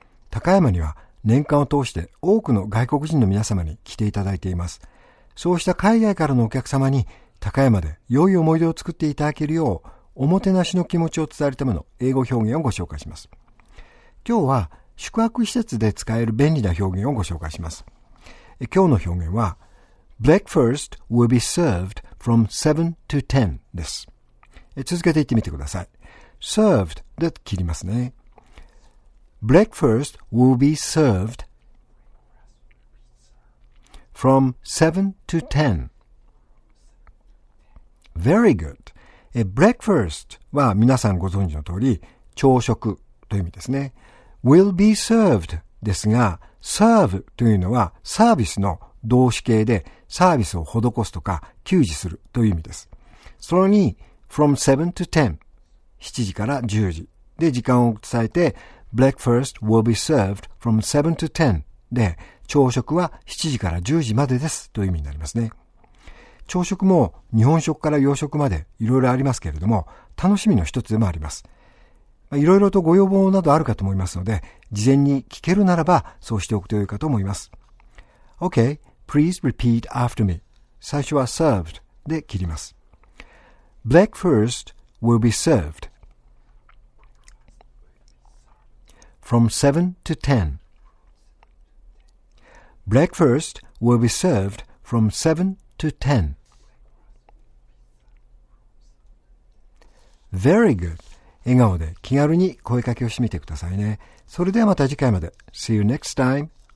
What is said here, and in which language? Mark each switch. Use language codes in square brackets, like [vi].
[ja] 高山には年間を通して多くの外国人の皆様に来ていただいています。そうした海外からのお客様に高山で良い思い出を作っていただけるよう、おもてなしの気持ちを伝えるための英語表現をご紹介します。今日は宿泊施設で使える便利な表現をご紹介します。今日の表現は、 [en] Breakfast will be served from 7 to 10 [ja] です。続けて言ってみてください。served で切りますね。 [en] Breakfast will be served from 7 to 10. Very good. [ja] Breakfast は皆さんご存知の通り、朝食という意味ですね。 will be served ですが、serve というのはサービスの動詞形で、サービスを施すとか、給仕するという意味です。それに、 [en] from 7 to 10 [ja] 7時から10時で時間を伝えて [en] breakfast will be served from 7 to 10 [ja] で朝食は7時から10時までですという意味になりますね。朝食も日本食から洋食までいろいろありますけれども楽しみの一つでもあります。いろいろとご要望などあるかと思いますので事前に聞けるならばそうしておくと良いかと思います。 [en] OK, please repeat after me. [ja] 最初は served で切ります。 [en] Breakfast will be served from 7 to 10. Breakfast will be served from 7 to 10. Very good. [ja] 笑顔で気軽に声かけをしてみてくださいね。それではまた次回まで。 [en] See you next time.